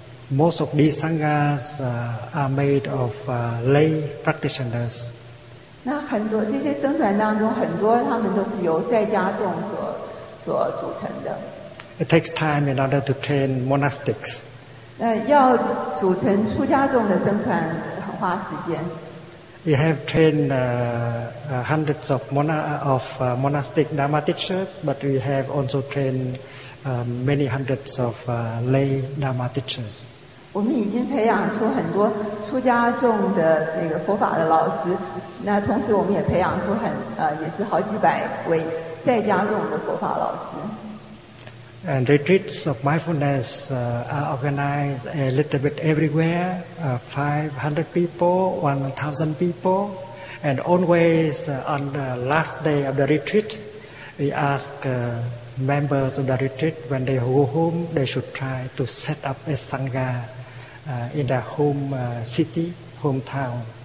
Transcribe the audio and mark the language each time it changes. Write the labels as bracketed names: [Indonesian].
[English] Most of these sanghas are made of lay practitioners. [Chinese] 那很多这些僧团当中，很多他们都是由在家众所组成的。 [English] It takes time in order to train monastics. [Chinese] 那要组成出家众的僧团，很花时间。 [English] We have trained hundreds of monastic Dharma teachers, but we have also trained many hundreds of lay Dharma teachers. [Chinese] 我们已经培养出很多出家众的这个佛法的老师，那同时我们也培养出也是好几百位在家众的佛法老师。 [English] And retreats of mindfulness are organized a little bit everywhere, 500 people, 1,000 people. And always on the last day of the retreat, we ask members of the retreat when they go home, they should try to set up a sangha in their home city, hometown.